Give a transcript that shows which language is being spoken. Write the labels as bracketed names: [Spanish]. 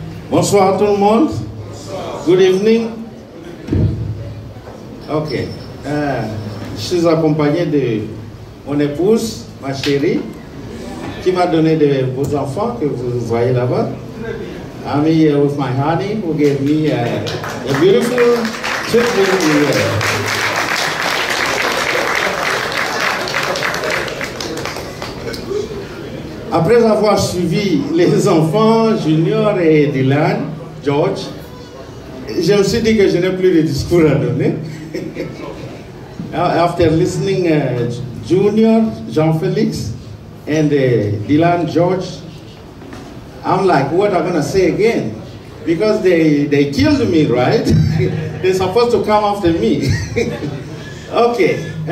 [French] Bonsoir tout le monde. Bonsoir. [English] Good evening. Ok. [French] Je suis accompagné de mon épouse, ma chérie, qui m'a donné de vos enfants que vous voyez là-bas. [English] I'm here with my honey who gave me a beautiful children here. [French] Après avoir suivi les enfants Junior et Dylan, George, j'ai aussi dit que je n'ai plus de discours à donner. [English] After listening Junior, Jean-Félix, and Dylan, George, I'm like, what am I going to say again? Because they killed me, right? They're supposed to come after me. Okay.